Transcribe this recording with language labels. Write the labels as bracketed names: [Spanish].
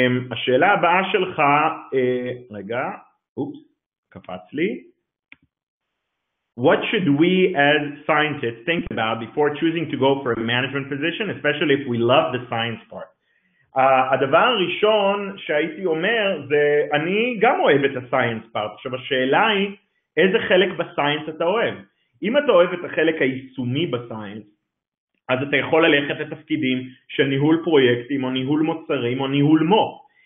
[Hebrew] השאלה הבאה שלך, רגע, אופס, קפץ לי. [English] What should we as scientists think about before choosing to go for a management position, especially if we love the science part? [Hebrew] הדבר הראשון שהייתי אומר זה, אני גם אוהב את ה- [English] science part. [Hebrew] עכשיו השאלה היא, איזה חלק בסיינס אתה אוהב? אם אתה אוהב את החלק היישומי בסיינס, אז אתה יכול ללכת לתפקידים של ניהול פרויקטים, או ניהול מוצרים, או ניהול מו"פ.